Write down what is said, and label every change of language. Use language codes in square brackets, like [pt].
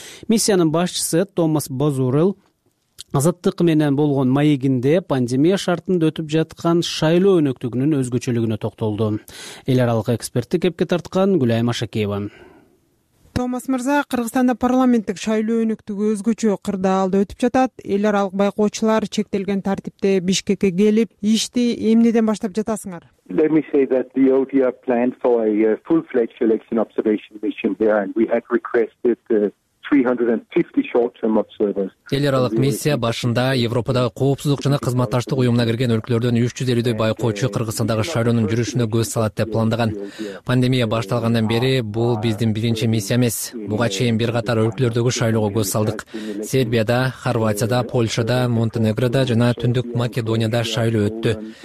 [ky] Миссиянын башчысы Томас Базурел Азаттык менен болгон маегинде пандемия шартында өтүп жаткан шайлоо өнөктүгүнүн өзгөчөлүгүнө токтолду. Эл аралык экспертти кепке тарткан Гүлайым Ашакеева. Томас мырза, Кыргызстанда парламенттик шайлоо өнөктүгү өзгөчө кырдаалда өтүп жатат. Эл аралык байкоочулар чектелген тартипте Бишкекке келип, ишти эмнеден баштап жатасыңар? [en] Let me say that the ODR planned for a full-fledged election observation mission there and we had requested 350 short-term observers. [ky] Эл аралык миссия башында Европадагы коопсуздук жана кызматташтык уюмуна кирген өлкөлөрдөн 350 байкоочу Кыргызстандагы шайлоонун жүрүшүнө көз салат деп пландаган. Пандемия башталгандан бери бул биздин биринчи миссия эмес. Буга чейин бир катар өлкөлөрдөгү шайлоого көз салдык. Сербияда, Хорватияда, Польшада, Монтенегрода жана Түндүк Македонияда шайлоо өттү.